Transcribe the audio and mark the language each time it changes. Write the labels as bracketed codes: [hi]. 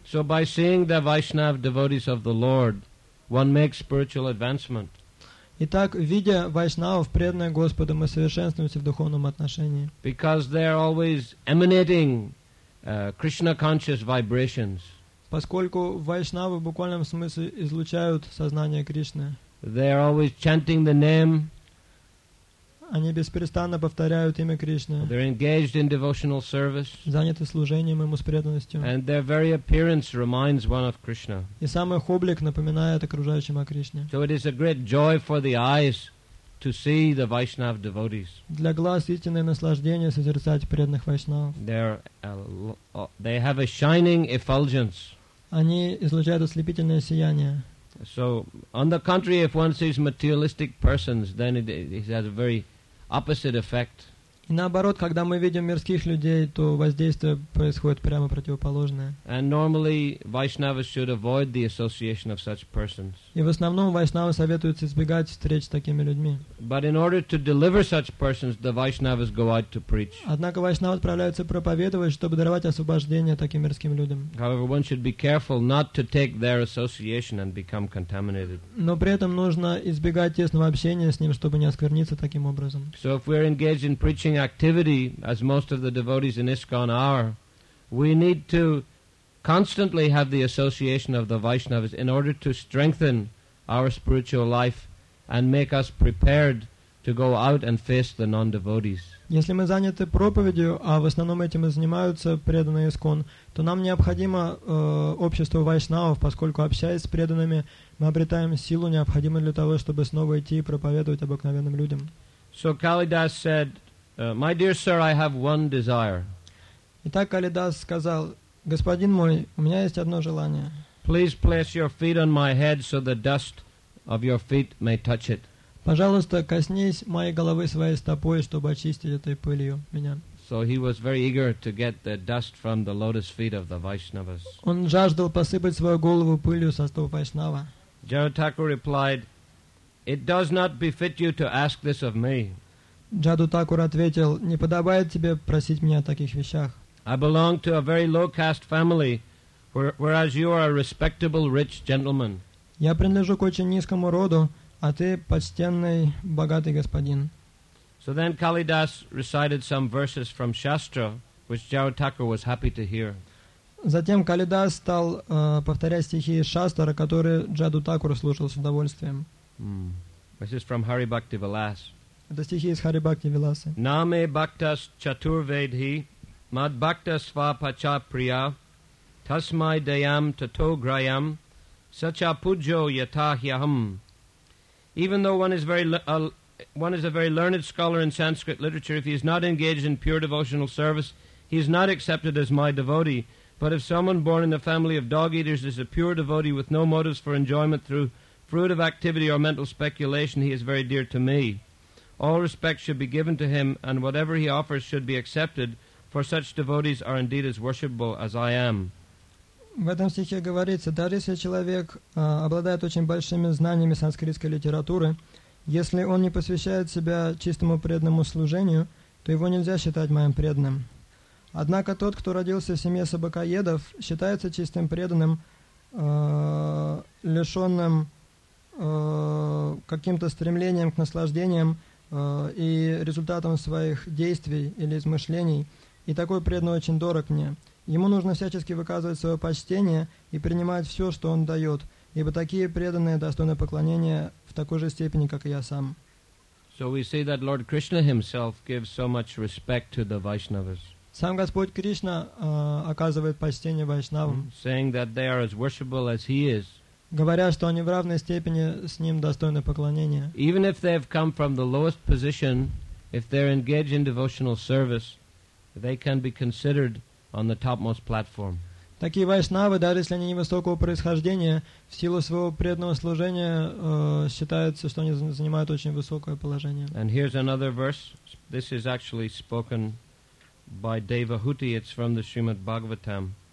[en] So by seeing the Vaishnav devotees of the Lord, one makes spiritual advancement. [ru] Итак, видя вайшнавов, преданных Господу, мы совершенствуемся в духовном отношении. [en] Because they are always emanating Krishna conscious vibrations. [ru] Поскольку вайшнавы в буквальном смысле излучают сознание Кришны. [en] They are always chanting the name. [ru] Они беспрестанно повторяют имя Кришны. [en] They're engaged in devotional service. [ru] Заняты служением ему с преданностью. [en] And their very appearance reminds one of Krishna. [ru] И сам их облик напоминает окружающим о Кришне. [en] So it is a great joy for the eyes to see the Vaishnava devotees. [ru] Для глаз истинное наслаждение созерцать преданных вайшнавов. [en] They have a shining effulgence. [ru] Они излучают ослепительное сияние. [en] So, on the contrary, if one sees materialistic persons, then it has a very opposite effect. [ru] И наоборот, когда мы видим мирских людей, то воздействие происходит прямо противоположное. [en] And normally, Vaishnavas should avoid the association of such persons. [ru] И в основном вайшнавы советуются избегать встреч с такими людьми. [en] But in order to deliver such persons, the Vaishnavas go out to preach. [ru] Однако вайшнавы отправляются проповедовать, чтобы даровать освобождение таким мирским людям. [en] However, one should be careful not to take their association and become contaminated. [ru] Но при этом нужно избегать тесного общения с ним, чтобы не оскверниться таким образом. [en] So if we're engaged in preaching activity, as most of the devotees in ISKCON are, we need to constantly have the association of the Vaishnavas in order to strengthen our spiritual life and make us prepared to go out and face the non-devotees. [ru] Если мы заняты проповедью, а в основном этим и занимаются преданные ИСКОН, то нам необходимо общество вайшнавов, поскольку общаясь с преданными, мы обретаем силу, необходимую для того, чтобы снова идти и проповедовать обыкновенным людям. [en] So Kalidas said, my dear sir, I have one desire. [ru] Итак, Калидас сказал: Господин мой, у меня есть одно желание. [en] Please place your feet on my head so the dust of your feet may touch it. [ru] Пожалуйста, коснись моей головы своей стопой, чтобы очистить этой пылью меня. [en] So he was very eager to get the dust from the lotus feet of the Vaishnavas. [ru] Он жаждал посыпать свою голову пылью со стоп вайшнава. [en] Jarutaku replied, "It does not befit you to ask this of me." [ru] Джаду Такур ответил: «Не подобает тебе просить меня о таких вещах. [en] I belong to a very low caste family, whereas you are a respectable rich gentleman. [ru] Я принадлежу к очень низкому роду, а ты почтенный богатый господин». [en] So then Kalidas recited some verses from Shastra, which Jaru Thakur was happy to hear. [ru] Затем Калидас стал повторять стихи из Шастра, которые Джаду Такур слушал с удовольствием. [en] This is from Hari Bhakti Vilas. [ru] Это стихи из Хари Бхакти Виласы. [sa] Наме бхактас чатурведхи, мад бхактас ва пача прия, тасмай даям тато граям, сача пуджо ята хьяхам. [en] Even though one is a very learned scholar in Sanskrit literature, if he is not engaged in pure devotional service, he is not accepted as my devotee. But if someone born in the family of dog eaters is a pure devotee with no motives for enjoyment through fruit of activity or mental speculation, he is very dear to me. All respect should be given to him, and whatever he offers should be accepted, for such devotees are indeed as worshipable as I am. [ru] В этом стихе говорится, даже если человек обладает очень большими знаниями санскритской литературы, если он не посвящает себя чистому преданному служению, то его нельзя считать моим преданным. Однако тот, кто родился в семье собакоедов, считается чистым преданным, лишенным каким-то стремлением к наслаждениям, и результатом своих действий или измышлений, и такой преданный очень дорог мне. Ему нужно всячески выказывать свое почтение и принимать все, что он дает, ибо такие преданные достойны поклонения в такой же степени, как и я сам. [en] So we see that Lord Krishna himself gives so much respect to the Vaishnavas. [ru] Сам Господь Кришна оказывает почтение вайшнавам, [en] saying that they are as worshipable as he is. [ru] Говоря, что они в равной степени с ним достойны поклонения. [en] Even if they have come from the lowest position, if they're engaged in devotional service, they can be considered on the topmost platform. [ru] Такие вайшнавы, даже если они невысокого происхождения, в силу своего преданного служения считается, что они занимают очень высокое положение. [en] And here's another verse. This is actually spoken by Devahuti. It's from the Srimad Bhagavatam.